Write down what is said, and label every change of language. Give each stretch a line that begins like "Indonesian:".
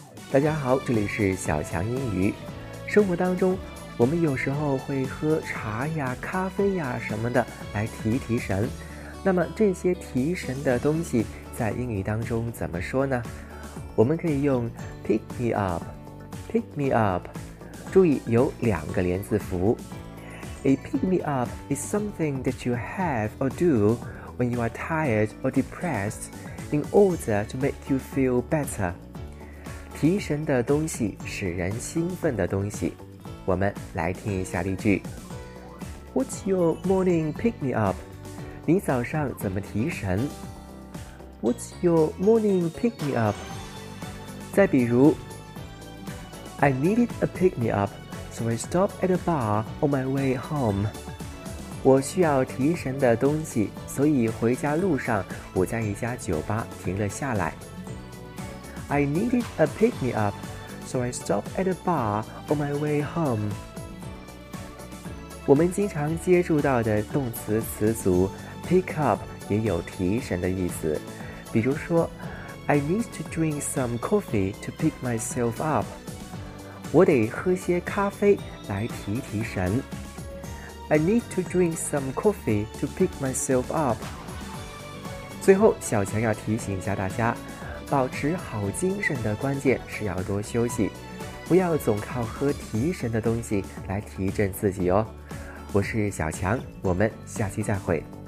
Chinese: 大家好，这里是小强英语。生活当中，我们有时候会喝茶呀、咖啡呀什么的来提提神。那么这些提神的东西在英语当中怎么说呢？我们可以用
English: pick me up，
Chinese: pick me up， 注意有两个连字符。
English: A pick me up is something that you have or do when you are tired or depressed in order to make you feel better。
Chinese: 提神的东西，使人兴奋的东西。我们来听一下例句。
English: What's your morning pick me up？
Chinese: 你早上怎么提神？
English: What's your morning pick me up?
Chinese: 再比如，
English: I needed a pick me up, so I stopped at a bar on my way home.
Chinese: 我需要提神的东西，所以回家路上我在一家酒吧停了下来。
English: I needed a pick me up, so I stopped at a bar on my way home.
Chinese: 我们经常接触到的动词词组Pick up 也有提神的意思，比如说
English: I need to drink some coffee to pick myself up，
Chinese: 我得喝些咖啡来提提神。
English: I need to drink some coffee to pick myself up。
Chinese: 最后，小强要提醒一下大家，保持好精神的关键是要多休息，不要总靠喝提神的东西来提振自己哦。我是小强，我们下期再会。